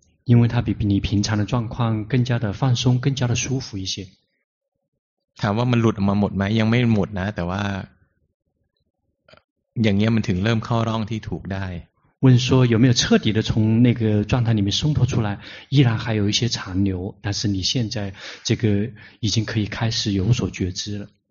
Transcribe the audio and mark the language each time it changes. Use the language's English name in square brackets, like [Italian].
[Chinese] 因为它比你平常的状况更加的放松更加的舒服一些 [Thai] ถามว่ามันหลุดออกมาหมดไหมยังไม่หมดนะแต่ว่าอย่างเงี้ยมันถึงเริ่มเข้าร่องที่ถูกได้ [Chinese] 问说有没有彻底的从那个状态里面松脱出来依然还有一些残留但是你现在这个已经可以开始有所觉知了